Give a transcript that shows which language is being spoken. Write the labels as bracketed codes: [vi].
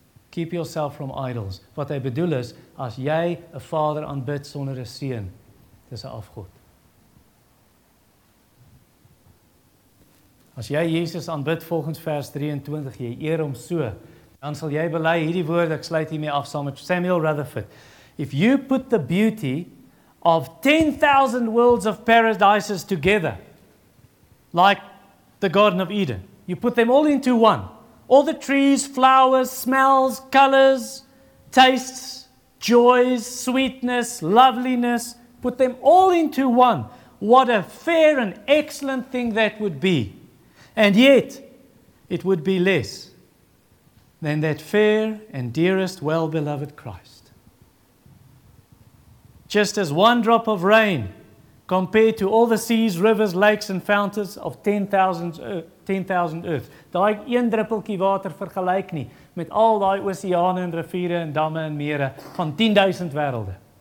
[en] Keep yourself from idols. [af] Wat hy bedoel is, as jy 'n Vader aanbid sonder 'n Seun, dis 'n afgod. As jy Jesus aanbid volgens vers 23, jy eer hom so, dan sal jy bely hierdie woord, ek sluit hiermee af saam met Samuel Rutherford. [en] If you put the beauty of 10,000 worlds of paradises together, like the Garden of Eden, you put them all into one, all the trees, flowers, smells, colors, tastes, joys, sweetness, loveliness, put them all into one, what a fair and excellent thing that would be. And yet, it would be less than that fair and dearest well-beloved Christ. Just as one drop of rain compared to all the seas, rivers, lakes and fountains of 10,000 earths. [af] Daai een druppeltjie water vergelyk nie met al daai oseane en riviere en damme en mere van 10,000 werelde.